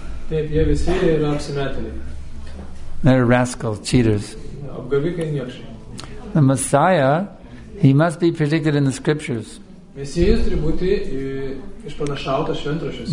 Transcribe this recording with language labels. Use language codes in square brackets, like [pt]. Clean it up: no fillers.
[lt] Taip, jie visi yra apsimetėliai. [en] They're rascals, cheaters. [lt] Apgavikai niekšai. [en] The Messiah, he must be predicted in the scriptures. [lt] Mesijas turi būti išpranašautas šventraščiuose.